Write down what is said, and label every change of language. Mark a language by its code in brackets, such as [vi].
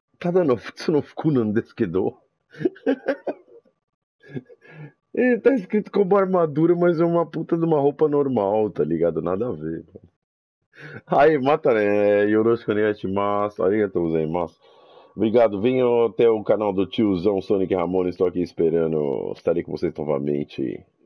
[ja] ただの普通の服なんですけど。 [pt] tá escrito com uma armadura, mas é uma puta de uma roupa normal, tá ligado? Nada a ver. Aí, mata né? [ja] よろしくお願いします。ありがとうございます。 [pt] Obrigado. Venho até o canal do tiozão Sonic Ramone. Estou aqui esperando. Estarei com vocês novamente.